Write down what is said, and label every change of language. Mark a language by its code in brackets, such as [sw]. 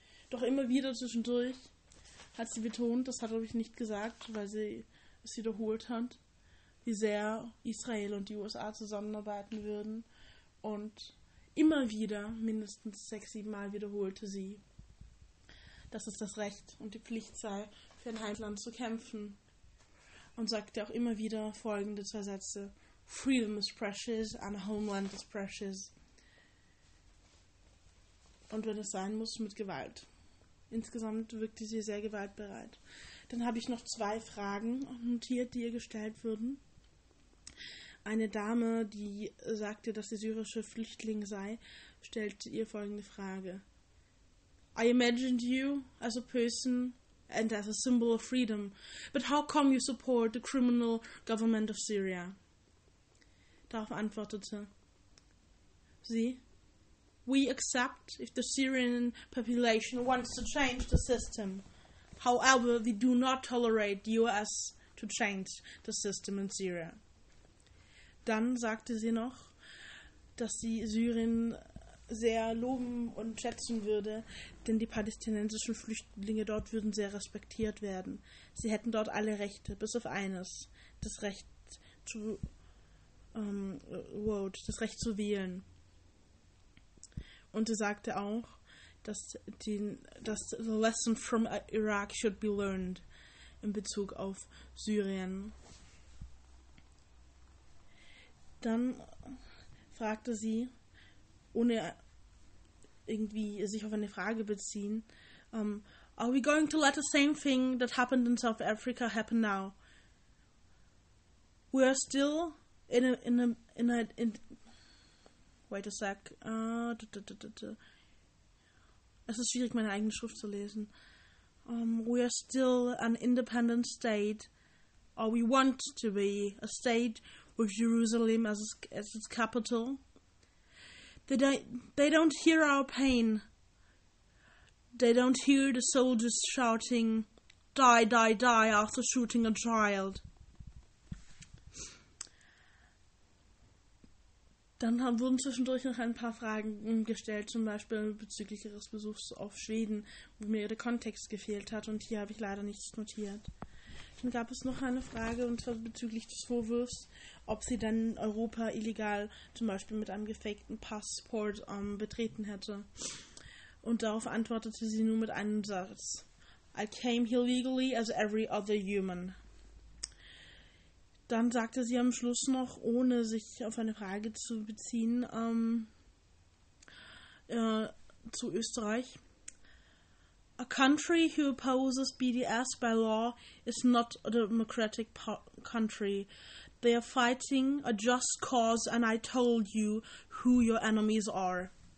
[de] Doch immer wieder zwischendurch hat sie betont, das hat glaube ich nicht gesagt, weil sie es wiederholt hat, wie sehr Israel und die USA zusammenarbeiten würden. Und immer wieder, mindestens 6-7 Mal wiederholte sie, dass es das Recht und die Pflicht sei, für ein Heimatland zu kämpfen. Und sagte auch immer wieder folgende zwei Sätze. [en] Freedom is precious and a homeland is precious. [de] Und wenn es sein muss, mit Gewalt. Insgesamt wirkte sie sehr gewaltbereit. Dann habe ich noch zwei Fragen notiert, die ihr gestellt wurden. Eine Dame, die sagte, dass sie syrische Flüchtling sei, stellte ihr folgende Frage. [en] I imagined you as a person and as a symbol of freedom, but how come you support the criminal government of Syria? [de] Darauf antwortete sie, [en] we accept if the Syrian population wants to change the system. However, we do not tolerate the US to change the system in Syria. [de] Dann sagte sie noch, dass sie Syrien sehr loben und schätzen würde, denn die palästinensischen Flüchtlinge dort würden sehr respektiert werden. Sie hätten dort alle Rechte, bis auf eines, das Recht zu vote, das Recht zu wählen. Und sie sagte auch, dass [en] the lesson from Iraq should be learned [de] in Bezug auf Syrien. Dann fragte sie, ohne irgendwie sich auf eine Frage beziehen. [en] Are we going to let the same thing that happened in South Africa happen now? We are still [de] es ist schwierig, meine eigene Schrift zu lesen. [en] We are still an independent state, or we want to be a state with Jerusalem as its capital. They don't hear our pain. They don't hear the soldiers shouting, die, die, die, after shooting a child. [de] Dann wurden zwischendurch noch ein paar Fragen gestellt, zum Beispiel bezüglich ihres Besuchs auf Schweden, wo mir der Kontext gefehlt hat und hier habe ich leider nichts notiert. Dann gab es noch eine Frage und zwar bezüglich des Vorwurfs, ob sie dann Europa illegal zum Beispiel mit einem gefakten Passport betreten hätte. Und darauf antwortete sie nur mit einem Satz. [en] I came here legally as every other human. [de] Dann sagte sie am Schluss noch, ohne sich auf eine Frage zu beziehen, zu Österreich. [en] A country who opposes BDS by law is not a democratic country. They are fighting a just cause and I told you who your enemies are.